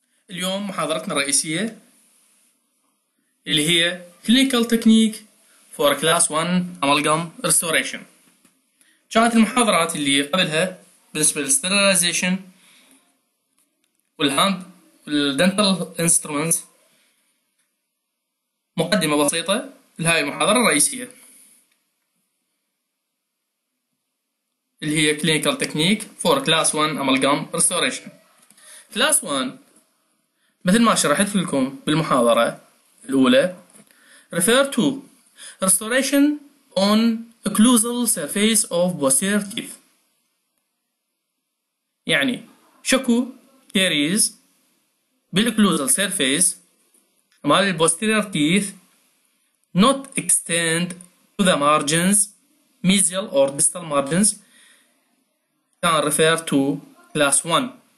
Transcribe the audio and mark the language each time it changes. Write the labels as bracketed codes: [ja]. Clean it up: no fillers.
[ar] اليوم محاضرتنا الرئيسية اللي هي [en] Clinical Technique for Class 1 Amalgam Restoration. [ar] كانت المحاضرات اللي قبلها بالنسبة للـ Sterilization والهاند والدنتال انسترومنتس مقدمة بسيطة لهذه المحاضرة الرئيسية اللي هي [en] Clinical Technique for Class 1 Amalgam Restoration. Class 1 [ar] مثل ما شرحت لكم بالمحاضرة الأولى [en] refer to restoration on occlusal surface of posterior teeth. يعني شكو caries بالocclusal surface مال posterior teeth not extend to the margins mesial or distal margins can refer to class 1.